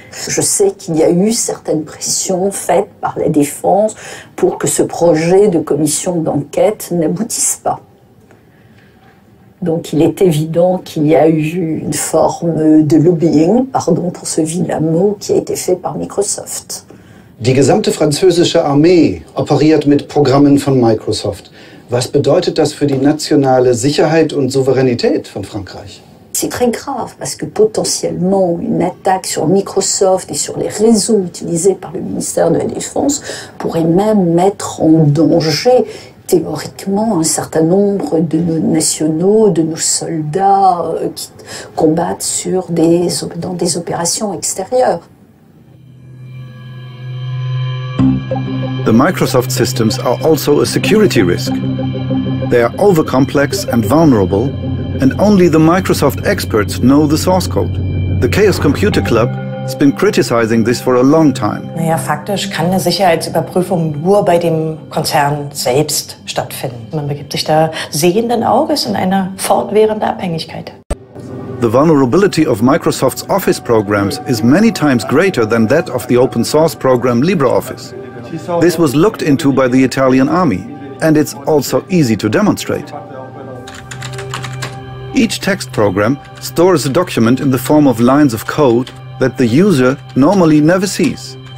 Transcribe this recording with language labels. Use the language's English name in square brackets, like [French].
[French] Je sais qu'il y a eu certaines pressions faites par la Défense pour que ce projet de commission d'enquête n'aboutisse pas. Donc il est évident qu'il y a eu une forme de lobbying, pardon pour ce vilain mot, qui a été fait par Microsoft. [German] Die gesamte französische Armee operiert mit Programmen von Microsoft. Was bedeutet das für die nationale Sicherheit und Souveränität von Frankreich? [French] C'est très grave parce que potentiellement une attaque sur Microsoft et sur les réseaux utilisés par le ministère de la Défense pourrait même mettre en danger théoriquement un certain nombre de nos nationaux, de nos soldats qui combattent dans des opérations extérieures. [English] The Microsoft systems are also a security risk. They are overcomplex and vulnerable. And only the Microsoft experts know the source code. The Chaos Computer Club has been criticizing this for a long time. [German] Naja, faktisch kann eine Sicherheitsüberprüfung nur bei dem Konzern selbst stattfinden. Man begibt sich da sehenden Auges in eine fortwährende Abhängigkeit. [English] The vulnerability of Microsoft's Office programs is many times greater than that of the open source program LibreOffice. This was looked into by the Italian army, and it's also easy to demonstrate. Each text program stores a document in the form of lines of code that the user normally never sees.